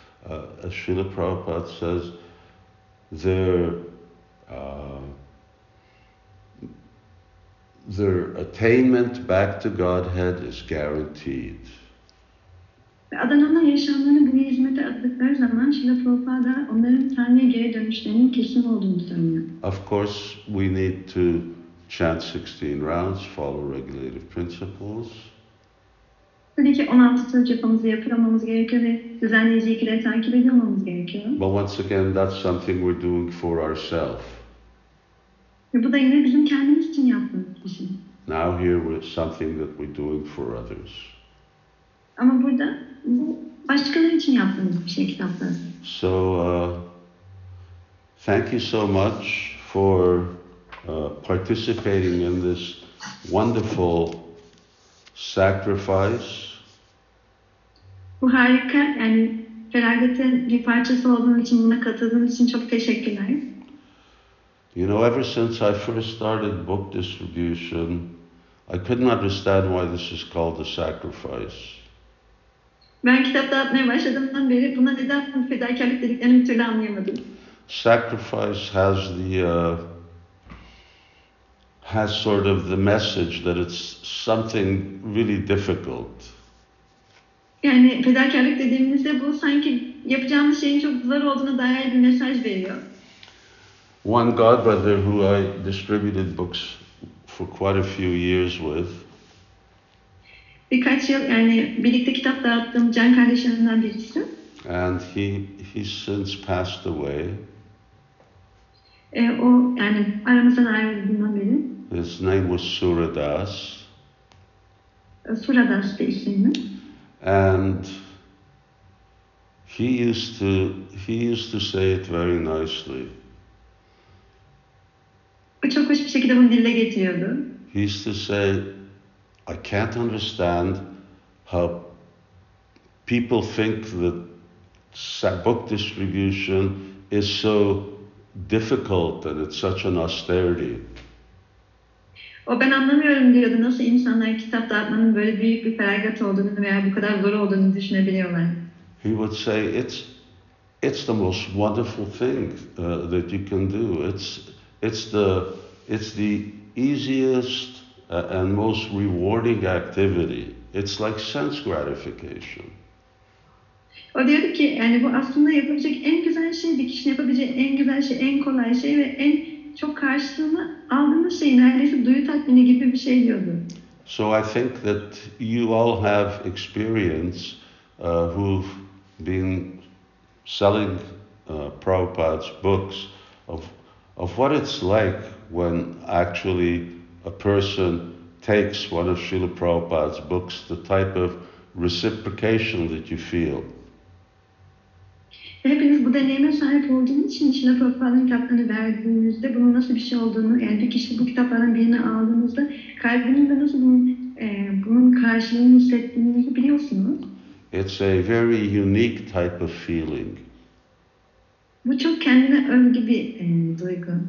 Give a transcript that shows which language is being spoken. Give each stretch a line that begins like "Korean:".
English: As Srila Prabhupada says, their attainment back to Godhead is guaranteed.
Turkish: Adananlar yaşamlarını bu hizmete adadıkları zaman Srila Prabhupada onların Tanrı'ya geri dönüşlerinin kesin olduğunu söylüyor.
English: Of course we need to chant 16 rounds, follow regulative principles.
Turkish: Tabii ki 16 tur cephamızı yapamamız gerekiyor ve düzenleyici ikileri takip ediyormamız gerekiyor.
English: But once again that's something we're doing for ourselves.
Turkish: Ve bu da yine bizim kendimiz için yaptığımız bir şey.
English: Now here was something that we're doing for others.
Turkish: Ama burada bu başkaları için yaptığımız bir şey kitapta.
English: So thank you so much for participating in this wonderful sacrifice.
Turkish: Bu harika, yani feragatın bir parçası olduğun için, buna katıldığın için çok teşekkürler.
English: You know, ever since I first started book distribution, I couldn't understand why this is called a sacrifice.
Turkish: Ben kitap dağıtmaya başladığımdan beri buna neden fedakarlık dediklerini bir türlü anlayamadım.
English: Sacrifice has has sort of the message that it's something really difficult.
Turkish: Yani fedakarlık dediğimizde bu sanki yapacağımız şeyin çok zor olduğuna dair bir mesaj veriyor.
English: One god brother who I distributed books for quite a few years with.
Turkish: Birkaç yıl yani birlikte kitap dağıttığım can kardeşlerimden birisi.
English: And he's since passed away.
Turkish: O yani aramızdan ayrıldığından beri.
English: His name was Suradas.
Turkish: Suradas de isimli.
English: And he used to say it very nicely.
Turkish: Çok hoş bir şekilde bunu dile getiriyordu.
English: He used to say, I can't understand how people think that book distribution is so difficult and it's such an austerity.
Turkish: O ben anlamıyorum diyordu, nasıl insanlar kitap dağıtmanın böyle büyük bir feragat olduğunu veya bu kadar zor olduğunu düşünebiliyorlar.
English: He would say, it's the most wonderful thing that you can do. It's the easiest and most rewarding activity. It's like sense gratification.
Turkish: O diyordu ki, yani bu aslında yapabilecek en güzel şey, bir kişinin yapabileceği en güzel şey, en kolay şey ve en çok karşılığını aldığınız şey, neredeyse duyu tatmini gibi bir şey diyordu.
English: So I think that you all have experience who've been selling Prabhupada's books of what it's like when actually a person takes one of Srila Prabhupada's books, the type of reciprocation that you feel.
Turkish: Hepiniz bu deneyime sahip olduğunuz için Srila Prabhupada'nın kitaplarını verdiğinizde bunun nasıl bir şey olduğunu, yani bir kişi bu kitaplardan birini aldığınızda kalbinizde nasıl bunun karşılığını hissettiğinizi biliyorsunuz.
English: It's a very unique type of feeling.
Turkish: Bu çok kendine özgü bir duygu.